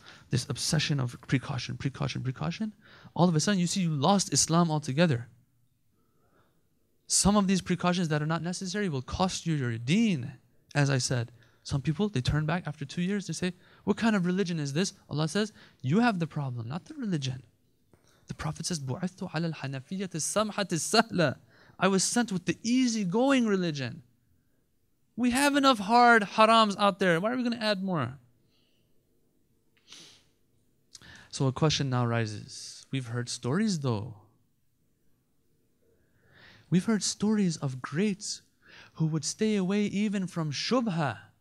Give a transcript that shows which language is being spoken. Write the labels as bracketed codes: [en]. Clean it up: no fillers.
[en] This obsession of precaution. All of a sudden, you see you lost Islam altogether. Some of these precautions that are not necessary will cost you your deen. As I said, some people, they turn back after 2 years. They say, what kind of religion is this? Allah says, you have the problem, not the religion. The Prophet says, [ar] بُعِثْتُ عَلَى الْحَنَفِيَّةِ السَّمْحَةِ السَّهْلَةِ. [en] I was sent with the easygoing religion. We have enough hard harams out there. Why are we going to add more? So a question now rises. We've heard stories though. We've heard stories of greats who would stay away even from shubha.